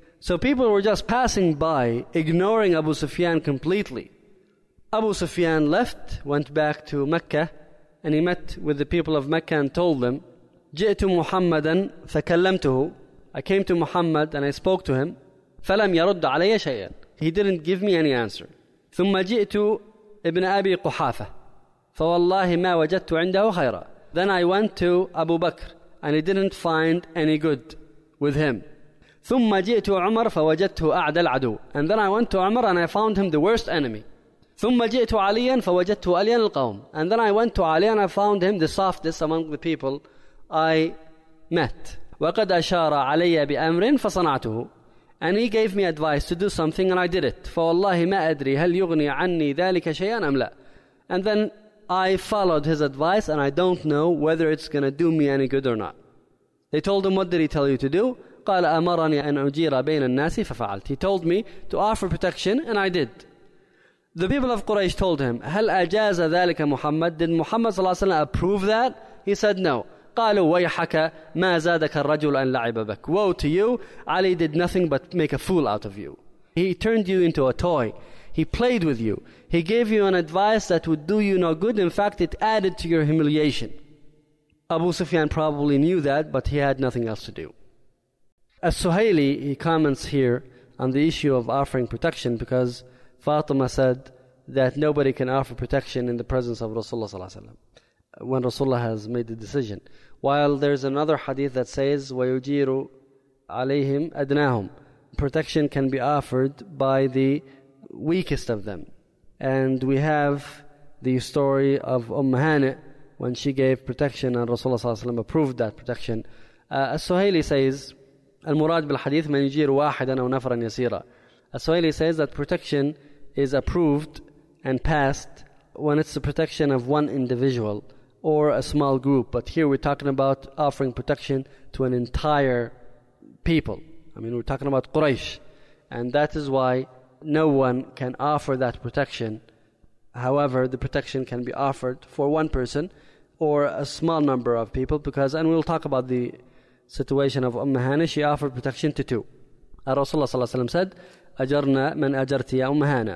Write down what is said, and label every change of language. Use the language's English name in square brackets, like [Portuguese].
[English] So people were just passing by, ignoring Abu Sufyan completely. Abu Sufyan left, went back to Mecca, and he met with the people of Mecca and told them, [Arabic] جِئْتُ مُحَمَّدًا فَكَلَّمْتُهُ. [English] I came to Muhammad and I spoke to him. [Arabic] فَلَمْ يَرُدْ عَلَيَّ شَيْئًا. [English] He didn't give me any answer. [Arabic] ثُمَّ جِئْتُ ابْنَ أَبِي قُحَافَةَ. فَوَاللَّهِ مَا وَجَدْتُ عِنْدَهُ خَيْرًا. [English] Then I went to Abu Bakr, and he didn't find any good with him. [Arabic] ثم جئت عمر فوجدته أعدى العدو. [English] And then I went to Umar and I found him the worst enemy. [Arabic] ثم جئت عليا فوجدته ألين القوم. [English] And then I went to Ali and I found him the softest among the people I met. [Arabic] وقد أشار علي بأمر فصنعته. [English] And he gave me advice to do something and I did it. [Arabic] فوالله ما أدري هل يغني عني ذلك شيئا أم لا. [English] And then I followed his advice and I don't know whether it's going to do me any good or not. They told him, what did he tell you to do? [Arabic] قال أمرني أن أجير بين الناس ففعلت. [English] He told me to offer protection and I did. The people of Quraysh told him, [Arabic] هل أجاز ذلك محمد? [English] Did Muhammad صلى الله عليه وسلم approve that? He said no. [Arabic] قالوا ويحك ما زادك الرجل أن لعب بك. [English] Woe to you, Ali did nothing but make a fool out of you. He turned you into a toy. He played with you. He gave you an advice that would do you no good. In fact, it added to your humiliation. Abu Sufyan probably knew that, but he had nothing else to do. As Suhaili, he comments here on the issue of offering protection because Fatima said that nobody can offer protection in the presence of Rasulullah sallallahu alaihi wasallam when Rasulullah has made the decision. While there's another hadith that says, [Arabic] وَيُجِيرُ عَلَيْهِمْ أَدْنَاهُمْ. [English] Protection can be offered by the weakest of them. And we have the story of Umm Hani when she gave protection and Rasulullah sallallahu alaihi wasallam approved that protection. As-Suhaili says, [Arabic] المراد بالحديث من يجير واحدا أو نفرا يسيرا. [English] As-Suhaili says that protection is approved and passed when it's the protection of one individual or a small group. But here we're talking about offering protection to an entire people. I mean, we're talking about Quraysh. And that is why no one can offer that protection. However, the protection can be offered for one person or a small number of people because, and we'll talk about the situation of Umm Hani, she offered protection to two. Rasulullah sallallahu alaihi wasallam said, [Arabic] أَجَرْنَا مَنْ أَجَرْتِ يَا أُمَّ هَانَ.